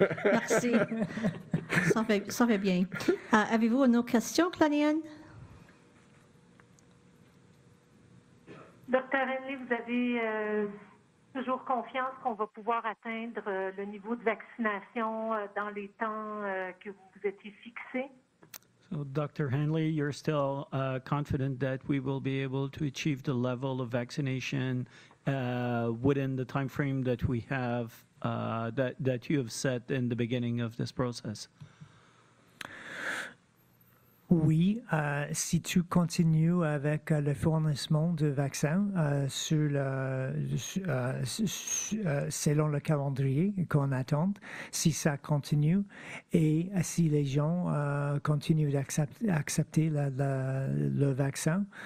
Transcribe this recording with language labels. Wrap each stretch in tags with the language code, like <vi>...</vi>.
<fr>Merci. Ça fait bien. Avez-vous une autre question, Claudine? Docteur Hanley, vous avez une toujours confiance qu'on va pouvoir atteindre le niveau de vaccination dans les temps que vous étiez fixé?</fr> <en>So, Dr. Hanley, you're still confident that we will be able to achieve the level of vaccination within the time frame that we have, that you have set in the beginning of this process?</en> <fr>Oui, si tu continues avec le fournissement de vaccins selon le calendrier qu'on attend, si ça continue et si les gens continuent d'accepter le vaccin.</fr>